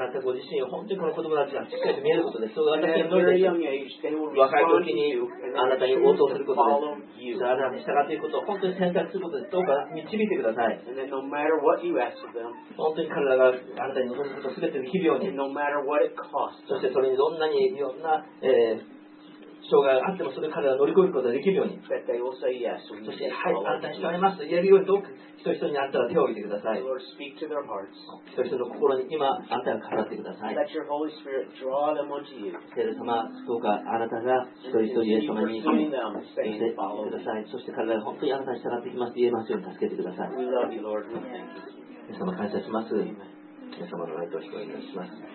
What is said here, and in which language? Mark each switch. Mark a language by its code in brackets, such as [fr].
[en] at a very young age, they will respond to you and they will choose to follow you. And then no matter what you ask of them, and no matter what it costs, and no matter what it costs, [ja] 障害があってもそれを彼ら乗り越えることができるように、 [en] they will say yes, [ja] we そしてはい、あなたに従いますと言えるようにどうか一人一人にあなたは手を挙げてください。 [en] Lord, speak to their hearts. [ja] 一人一人の心に今あなたが語ってください。 [en] Let your Holy Spirit draw them unto you. [ja] 聖霊様、どうかあなたが一人一人イエス様に導いてください。そして彼らが本当にあなたに従ってきますと言えますように助けてください。 [en] We love you, Lord. [ja] イエス様、感謝します。イエス様の愛とお祈りします。